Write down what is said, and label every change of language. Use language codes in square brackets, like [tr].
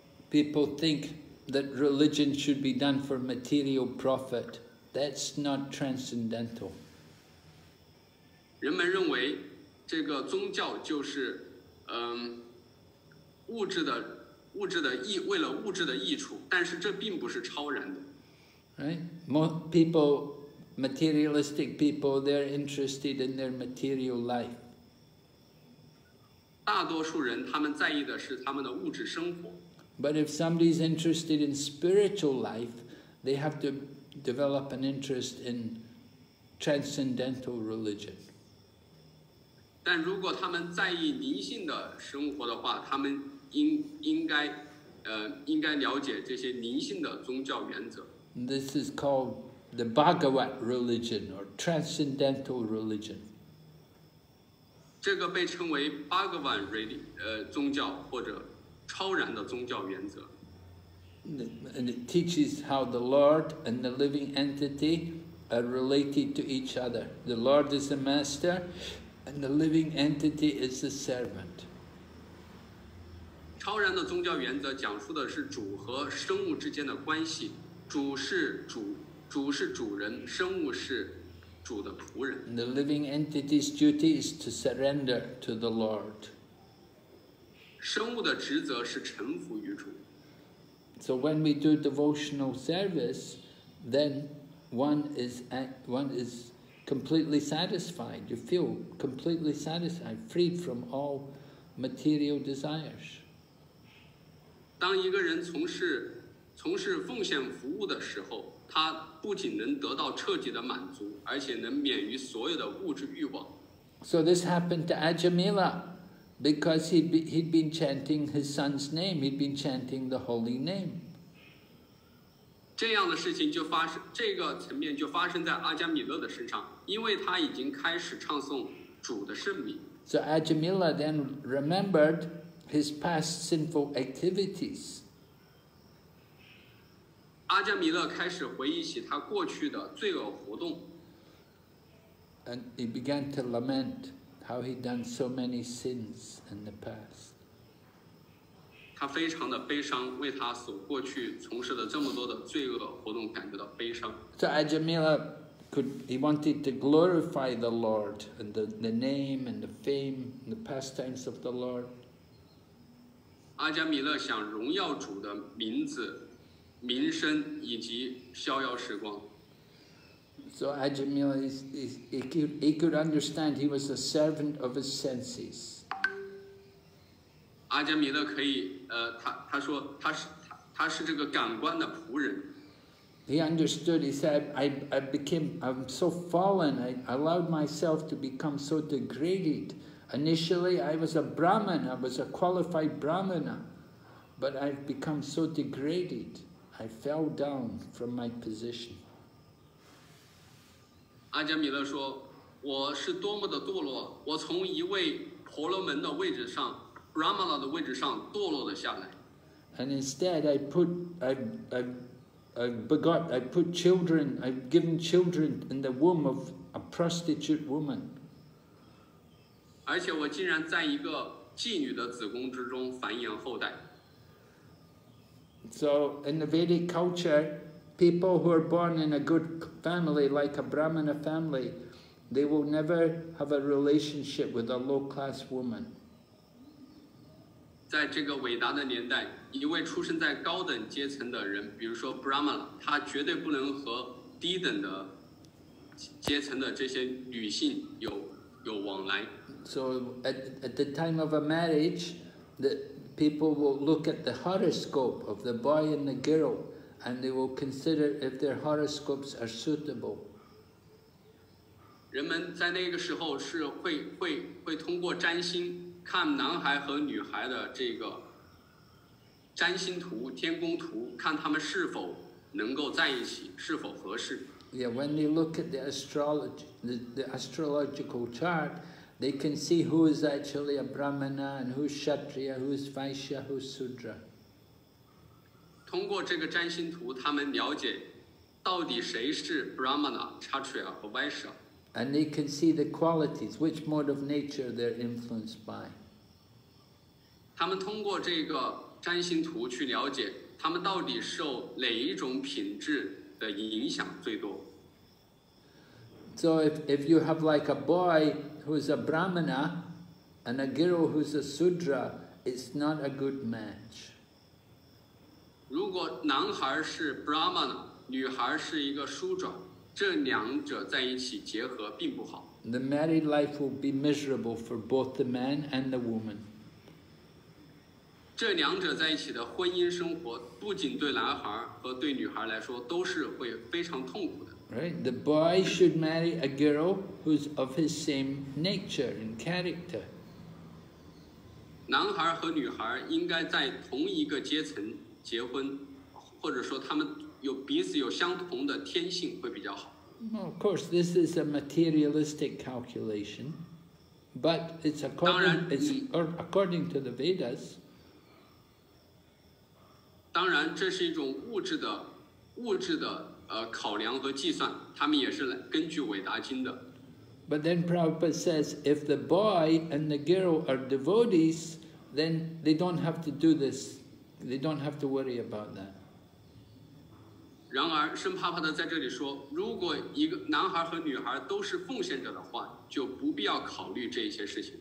[en] People think. That religion should be done for material profit. That's not transcendental. [zh] 人们认为这个宗教就是物质的益，为了物质的益处，但是这并不是超然的。 [en] Right? Most people, materialistic people, they're interested in their material life. [zh] 大多数人他们在意的是他们的物质生活。 [en] But if somebody is interested in spiritual life, they have to develop an interest in transcendental religion. [zh] 但如果他们在意灵性的生活的话，他们应该了解这些灵性的宗教原则。 [en] This is called the Bhagavat religion or transcendental religion. [zh] 这个被称为 Bhagavat宗教或者。超然的宗教原则。 [en] And it teaches how the Lord and the living entity are related to each other. The Lord is the master, and the living entity is the servant. [zh] 超然的宗教原则讲述的是主和生物之间的关系。主是主人，生物是主的仆人。 [en] And the living entity's duty is to surrender to the Lord. [zh] 生物的职责是臣服于主。 [en] So when we do devotional service, then one is completely satisfied. You feel completely satisfied, freed from all material desires. [zh] 当一个人从事奉献服务的时候，他不仅能得到彻底的满足，而且能免于所有的物质欲望。 [en] So this happened to Ajamila, because he'd been chanting his son's name. He'd been chanting the holy name. [zh] 这样的事情就发生，这个层面就发生在阿加米勒的身上，因为他已经开始唱诵主的圣名。 [en] So Ajamila then remembered his past sinful activities. [zh] 阿加米勒开始回忆起他过去的罪恶活动。 [en] And he began to lament how he'd done so many sins in the past. [zh] 他非常的悲伤，为他所过去从事的这么多的罪恶活动感觉到悲伤。 [en] So Ajamila he wanted to glorify the Lord and the name and the fame and the pastimes of the Lord. [zh] 阿加米勒想荣耀主的名字、名声以及逍遥时光。 [en] So Ajamila, he could understand he was a servant of his senses. [zh] Ajamila 可以，他说他是这个感官的仆人。 [en] He understood. He said, I'm so fallen. I allowed myself to become so degraded. Initially, I was a Brahman. I was a qualified Brahmana, but I've become so degraded. I fell down from my position. [zh] 阿加米勒说，我是多么的堕落，我从一位婆罗门的位置上 Brahmana 的位置上堕落了下来。 [en] And instead I've given children in the womb of a prostitute woman. [zh] 而且我竟然在一个妓女的子宫之中繁衍后代。 [en] So in the Vedic culturePeople who are born in a good family, like a Brahmana family, they will never have a relationship with a low-class woman. [zh] 在这个伟大的年代，一位出生在高等阶层的人，比如说 Brahmana, 他绝对不能和低等的阶层的这些女性有往来。 [en] So at the time of a marriage, the people will look at the horoscope of the boy and the girl. And they will consider if their horoscopes are suitable. [zh] 人们在那个时候是会通过占星看男孩和女孩的这个占星图、天宫图，看他们是否能够在一起，是否合适。 [en] Yeah, when they look at the astrological chart, they can see who is actually a Brahmana and who's Kshatriya, who's Vaishya, who's Sudra. [zh] 通过这个占星图，他们了解到底谁是 Brahmana, Kshatriya 和 Vaishya. [en] And they can see the qualities, which mode of nature they're influenced by. [zh] 他们通过这个占星图去了解他们到底受哪一种品质的影响最多。 [en] So if you have like a boy who's a Brahmana and a girl who's a Sudra, it's not a good match. [zh] 如果男孩是 Brahmana, 女孩是一个 Sudra, 这两者在一起结合并不好。 [en] The married life will be miserable for both the man and the woman. [zh] 这两者在一起的婚姻生活不仅对男孩和对女孩来说都是会非常痛苦的。 [en] Right, the boy should marry a girl who's of his same nature and character. [zh] 男孩和女孩应该在同一个阶层结婚，或者说他们有彼此有相同的天性会比较好。 [en] Well, of course, this is a materialistic calculation, but it's according to the Vedas. [zh] 当然，这是一种物质的考量和计算，他们也是根据伟达经的。 [en] But then Prabhupada says, if the boy and the girl are devotees, then they don't have to do this. They don't have to worry about that. [zh] 然而，圣帕帕德在这里说，如果一个男孩和女孩都是奉献者的话，就不必要考虑这些事情。